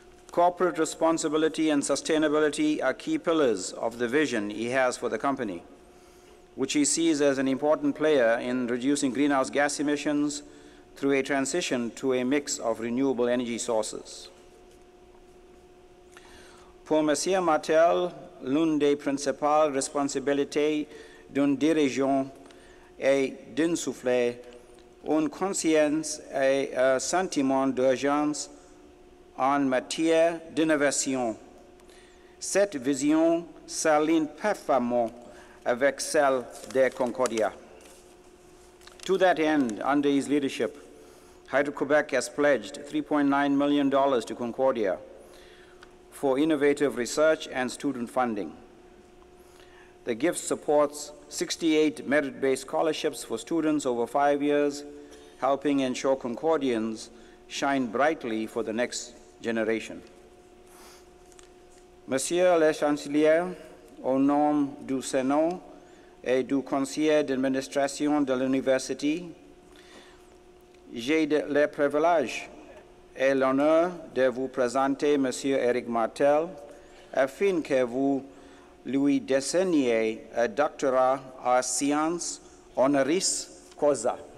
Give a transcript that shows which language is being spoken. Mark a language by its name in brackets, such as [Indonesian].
[English] Corporate responsibility and sustainability are key pillars of the vision he has for the company, which he sees as an important player in reducing greenhouse gas emissions through a transition to a mix of renewable energy sources. [French] Pour Monsieur Martel, l'une des principales responsabilités d'une dirigeant est d'insuffler une conscience et un sentiment d'urgence en matière d'innovation. Cette vision s'aligne parfaitement avec celle de Concordia. [English] To that end, under his leadership, Hydro-Québec has pledged $3.9 million to Concordia for innovative research and student funding. The gift supports 68 merit-based scholarships for students over 5 years, helping ensure Concordians shine brightly for the next generation. [French] Monsieur le Chancelier, au nom du Sénat et du Conseil d'administration de l'Université, j'ai le privilège et l'honneur de vous présenter Monsieur ric Martel afin que vous lui décerniez un doctorat en sciences honoris causa.